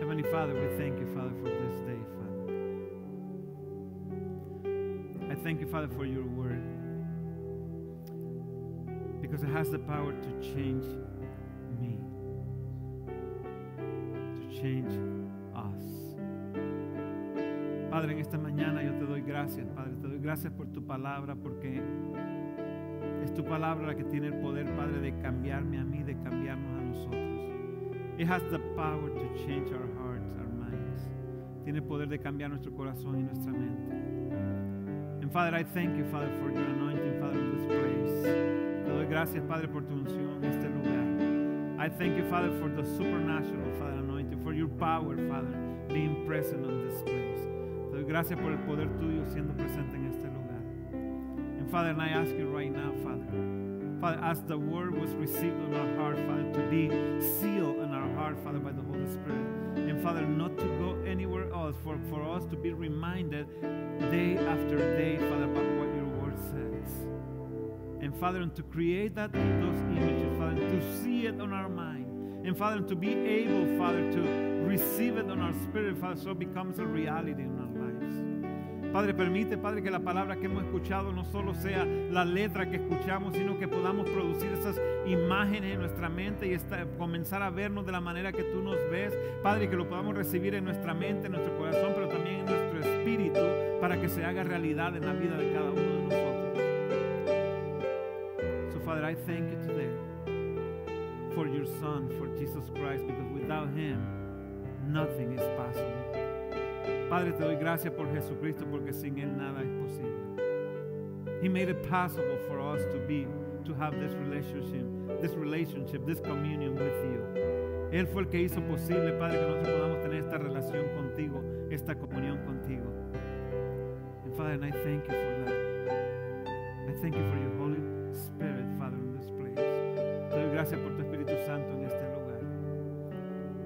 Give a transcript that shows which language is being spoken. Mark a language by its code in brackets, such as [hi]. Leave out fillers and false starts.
[en] Father, we thank you, Father, for this day, Father. I thank you, Father, for your word, because it has the power to change me, to change us. [es] Padre, en esta mañana yo te doy gracias, Padre. Te doy gracias por tu palabra, porque es tu palabra la que tiene el poder, Padre, de cambiarme a mí, de cambiarnos a nosotros. [en] It has the power to change our hearts, our minds. [es] Tiene poder de cambiar nuestro corazón y nuestra mente. [en] And Father, I thank you, Father, for your anointing, Father, of this place. [es] Te doy gracias, Padre, por tu unción en este lugar. [en] I thank you, Father, for the supernatural, Father, anointing, for your power, Father, being present on this place. [es] Te doy gracias por el poder tuyo siendo presente en este lugar. [en] And Father, and I ask you right now, Father, Father, as the word was received on our heart, Father, to be sealed in our heart, Father, by the Holy Spirit. And Father, not to go anywhere else, for us to be reminded day after day, Father, about what your word says. And Father, and to create that those images, Father, and to see it on our mind. And Father, and to be able, Father, to receive it on our spirit, Father, so it becomes a reality in our lives. [es] Padre, permite, Padre, que la palabra que hemos escuchado no solo sea la letra que escuchamos, sino que podamos producir esas imágenes en nuestra mente y comenzar a vernos de la manera que tú nos ves. Padre, que lo podamos recibir en nuestra mente, en nuestro corazón, pero también en nuestro espíritu, para que se haga realidad en la vida de cada uno de nosotros. [en] So, Father, I thank you today for your Son, for Jesus Christ, because without him, nothing is possible. [es] Padre, te doy gracias por Jesucristo, porque sin él nada es posible. [en] He made it possible for us to have this relationship, this communion with you. [es] Él fue el que hizo posible, Padre, que nosotros podamos tener esta relación contigo, esta comunión contigo. [en] And Father, and I thank you for that. I thank you for your Holy Spirit, Father, in this place. [es] Te doy gracias por tu Espíritu Santo en este lugar.